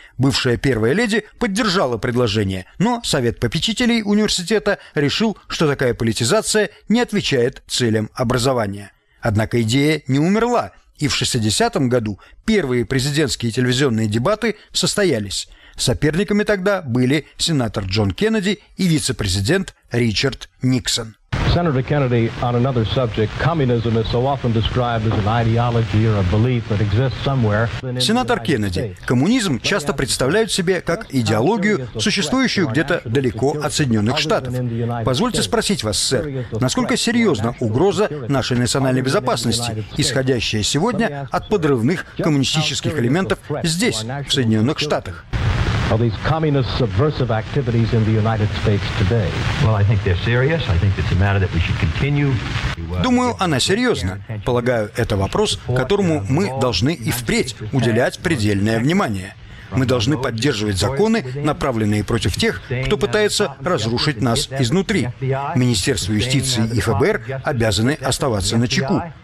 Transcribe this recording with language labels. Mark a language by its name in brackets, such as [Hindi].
[Russian] Бывшая первая леди поддержала предложение, но совет попечителей университета решил, что такая политизация не отвечает целям образования. Однако идея не умерла. И в 1960 году первые президентские телевизионные дебаты состоялись. Соперниками тогда были сенатор Джон Кеннеди и вице-президент Ричард Никсон. [English] Senator Kennedy, on another subject, communism is so often described as an ideology or a belief that exists somewhere. [Russian] Сенатор Кеннеди, коммунизм часто представляют себе как идеологию, существующую где-то далеко от Соединенных Штатов. Позвольте спросить вас, сэр, насколько серьезна угроза нашей национальной безопасности, исходящая сегодня от подрывных коммунистических элементов здесь, в Соединенных Штатах? [English] Are these communist subversive activities in the United States today? Well, I think they're serious. I think it's a matter that we should continue. [Russian] Думаю, она серьезна. Полагаю, это вопрос, которому мы должны и впредь уделять предельное внимание. Мы должны поддерживать законы, направленные против тех, кто пытается разрушить нас изнутри. Министерство юстиции и ФБР обязаны оставаться начеку.